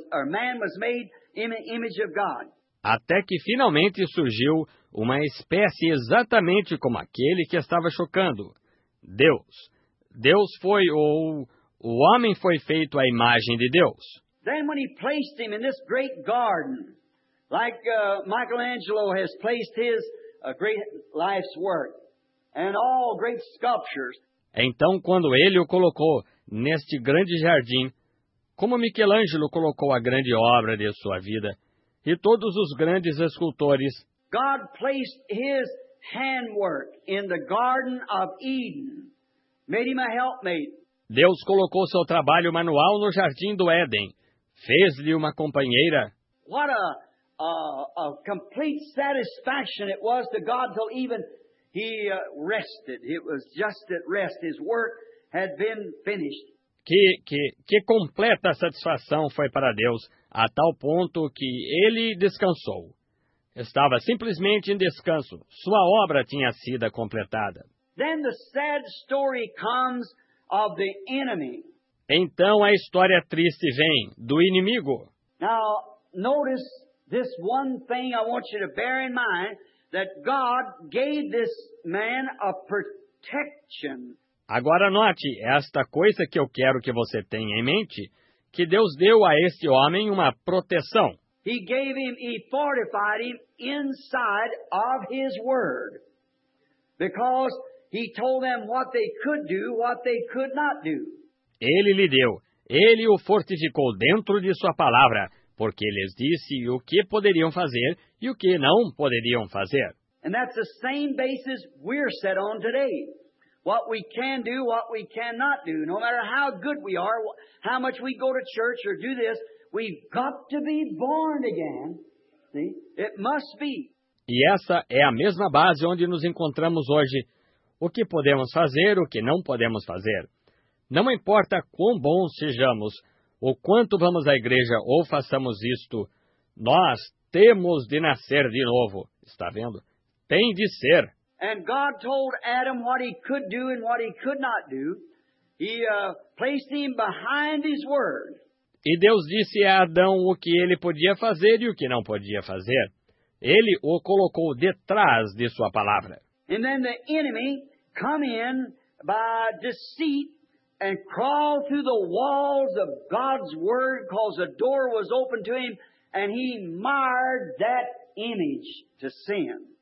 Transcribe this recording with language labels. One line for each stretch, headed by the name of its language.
English: Man was made in the image of God.
Portuguese: Até que finalmente surgiu uma espécie exatamente como aquele que estava chocando, Deus. Deus foi, ou o homem foi feito à imagem de Deus.
English: Then when He placed him in this great garden, like Michelangelo has placed his a great life's work, and all great sculptures.
Portuguese: Então, quando ele o colocou neste grande jardim, como Michelangelo colocou a grande obra de sua vida, e todos os grandes escultores,
English: God placed His handwork in the Garden of Eden, made Him a helpmate.
Portuguese: Deus colocou seu trabalho manual no jardim do Éden, fez-lhe uma companheira.
English: What a complete satisfaction it was to God till even He rested. It was just at rest. His work had been finished.
Portuguese: Que completa satisfação foi para Deus, a tal ponto que Ele descansou. Estava simplesmente em descanso. Sua obra tinha sido completada.
English: Then the sad story comes of the enemy.
Portuguese: Então a história triste vem do inimigo.
English: Now, notice this one thing I want you to bear in mind, that God gave this man a protection.
Portuguese: Agora note esta coisa que eu quero que você tenha em mente, que Deus deu a este homem uma proteção.
English: He gave him, He fortified him inside of His word, because He told them what they could do, what they could not do.
Portuguese: Ele lhe deu, Ele o fortificou dentro de sua palavra, porque lhes disse o que poderiam fazer e o que não poderiam fazer.
English: And that's the same basis we're set on today. What we can do, what we cannot do. No matter how good we are, how much we go to church or do this, we've got to be born again. See? It must be.
Portuguese: E essa é a mesma base onde nos encontramos hoje. O que podemos fazer, o que não podemos fazer. Não importa quão bons sejamos, o quanto vamos à igreja ou façamos isto, nós temos de nascer de novo. Está vendo? Tem de ser.
English: And God told Adam what he could do and what he could not do. placed him behind his word.
Portuguese: E Deus disse a Adão o que ele podia fazer e o que não podia fazer. Ele o colocou detrás de sua palavra.
English: And then the enemy come in by deceit and crawl through the walls of God's word, because a door was open to him, and he marred that image to sin.